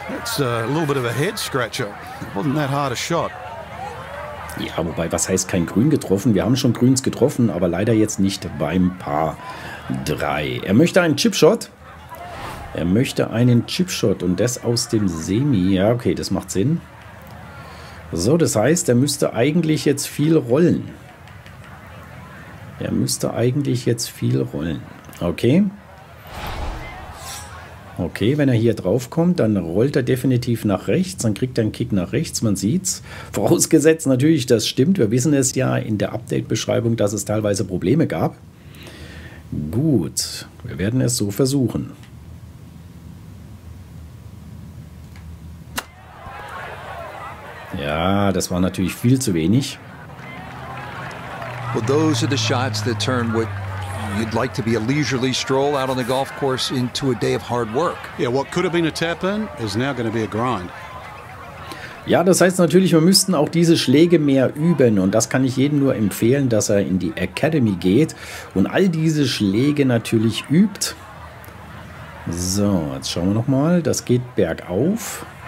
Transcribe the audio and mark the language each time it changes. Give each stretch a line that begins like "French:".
English: It's a little bit of a head scratcher. Wasn't that hard a shot?
German: Ja, wobei, was heißt kein Grün getroffen? Wir haben schon Grüns getroffen, aber leider jetzt nicht beim Paar 3. Er möchte einen Chipshot. Er möchte einen Chipshot und das aus dem Semi. Ja, okay, das macht Sinn. So, das heißt, er müsste eigentlich jetzt viel rollen. Er müsste eigentlich jetzt viel rollen. Okay. Okay, wenn er hier drauf kommt, dann rollt er definitiv nach rechts. Dann kriegt er einen Kick nach rechts. Man sieht's. Vorausgesetzt natürlich, das stimmt. Wir wissen es ja in der Update-Beschreibung, dass es teilweise Probleme gab. Gut, wir werden es so versuchen. Ja, das war natürlich viel zu wenig.
English: Well, those are the shots that turn what you'd like to be a leisurely stroll out on the golf course into a day of hard work. Yeah, what could have been a tap in is now going to be a grind.
German: Ja, das heißt natürlich, wir müssten auch diese Schläge mehr üben und das kann ich jedem nur empfehlen, dass er in die Academy geht und all diese Schläge natürlich übt. So, jetzt schauen wir nochmal. Das geht bergauf.